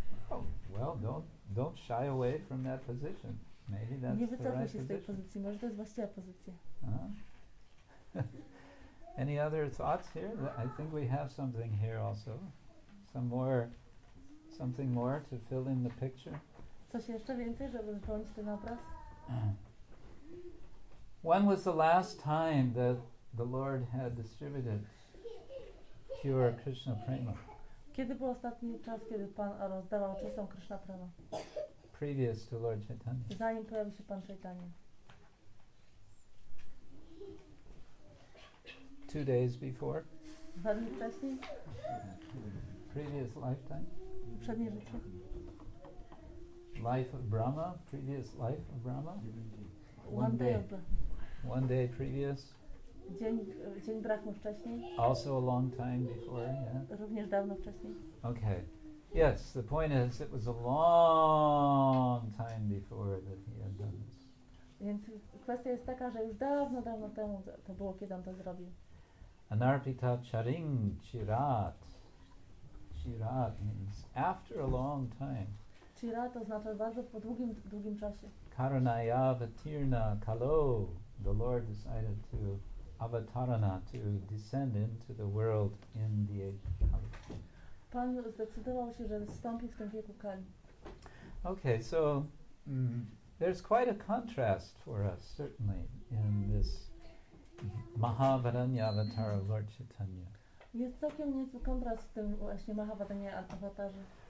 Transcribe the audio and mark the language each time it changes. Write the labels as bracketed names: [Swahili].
[English] Oh, well, don't shy away from that position. Maybe that's the right position. [Polish] Nie wycofuj się z tej pozycji. Może to jest właściwa pozycja. [English] Any other thoughts here? I think we have something here also. Something more to fill in the picture. [Polish] Coś jeszcze więcej, żeby wypełnić ten obraz? [English] When was the last time that the Lord had distributed pure Krishna Prema? [Polish] Kiedy był ostatni czas, kiedy Pan rozdawał czystą Krishna Prema? [English] Previous to Lord Chaitanya. [Polish] Zanim pojawił się Pan Chaitanya. [English] 2 days before? [Polish] 2 dni wcześniej? [English] Previous lifetime? [Polish] Poprzednie życie. [English] Life of Brahma, previous life of Brahma? One day previous? [Polish] Dzień Brahmy wcześniej? [English] Also a long time before, yeah? [Polish] Również dawno wcześniej. [English] Okay. Yes, the point is, it was a long time before that he had done this. [Polish] Więc kwestia jest taka, że już dawno, dawno temu to było, kiedy on to zrobił. [Sanskrit] Anarpita charing chirat. [English] Chirat means after a long time. [Polish] Chira to znaczy bardzo po długim, długim czasie. [Sanskrit] Karanaya avatirna kalo. [English] The Lord decided to avatarana, to descend into the world in the age of Kali. [Polish] Pan zdecydował się, że wstąpi w tym wieku Kali. [English] Okay, so there's quite a contrast for us, certainly, in this Mahavaranya avatar of Lord Chaitanya. [Polish] Jest całkiem niezły kontrast w tym właśnie Mahavaranya avatarze.